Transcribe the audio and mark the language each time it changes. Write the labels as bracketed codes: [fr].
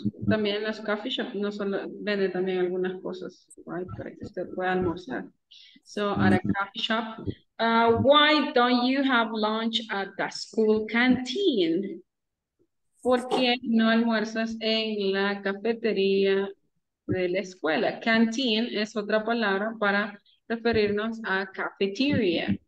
[es] También las coffee shops no solo venden también algunas cosas, right, para que usted pueda almorzar. [en] So at a coffee shop, why don't you have lunch at the school canteen? [es] ¿Por qué no almuerzas en la cafetería de la escuela? Canteen es otra palabra para referirnos a cafetería.